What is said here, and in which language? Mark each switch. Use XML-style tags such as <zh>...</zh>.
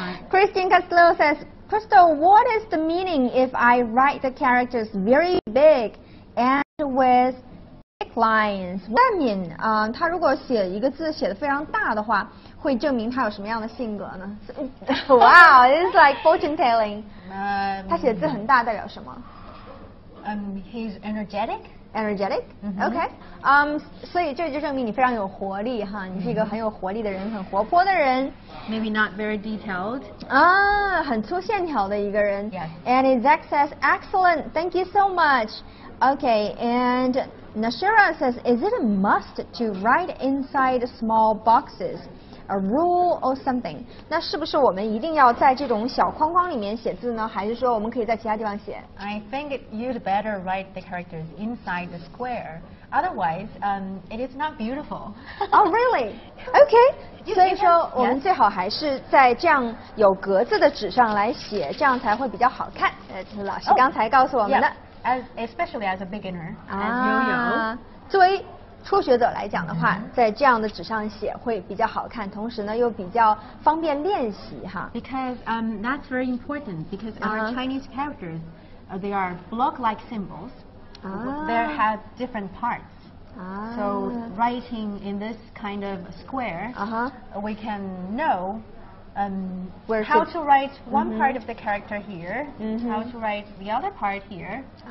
<en>Christine Castillo says, Crystal, what is the meaning if I write the characters very big and with thick lines? What does that mean?</en> <zh>他如果写一个字写得非常大的话，会证明他有什么样的性格呢？</zh> <en>Wow, it's like fortune telling.</en> <zh>他写字很大代表什么？</zh> <en>He's energetic. Energetic? Mm-hmm. Okay.</en> <zh>所以这就证明你非常有活力哈，你是一个很有活力的人，很活泼的人。</zh> <en>Maybe not very detailed.</en> <zh>很粗线条的一个人。</zh> <en>Yes. And Zach says, excellent, thank you so much. Okay, and Nashira says, is it a must to write inside small boxes? A rule or something?</en> <zh>那是不是我们一定要在这种小框框里面写字呢？还是说我们可以在其他地方写？</zh> <en>I think you'd better write the characters inside the square. Otherwise, it is not beautiful. Oh, really? Okay.</en> <zh>所以说我们最好还是在这样有格子的纸上来写，这样才会比较好看。老师刚才告诉我们的。</zh> <en>Yeah. Especially as a beginner. As you know.</en> <zh>作为初学者来讲的话，在这样的纸上写会比较好看，同时呢又比较方便练习哈。</zh> <en>Because that's very important because our Chinese characters, they are block-like symbols. They have different parts. So writing in this kind of square, we can know how to write one part of the character here, how to write the other part here.</en>